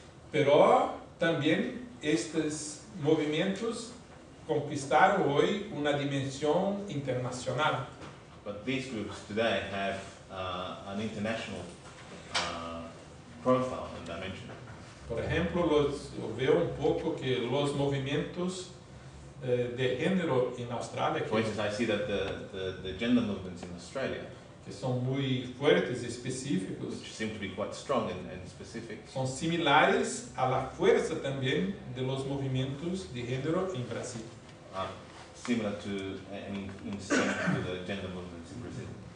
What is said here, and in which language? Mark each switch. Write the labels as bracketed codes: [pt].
[es] Pero también estos movimientos conquistaron hoy una dimensión internacional. [en] But these groups today have an international profile and dimension. [es] Por ejemplo, veo un poco que los movimientos de género en Australia. [en] For instance, I see that the gender movements in Australia. [es] Que son muy fuertes y específicos. [en] Which seem to be quite strong and specific. [es] Son similares a la fuerza también de los movimientos de género en Brasil. [en] Similar to in the gender movements in Brazil.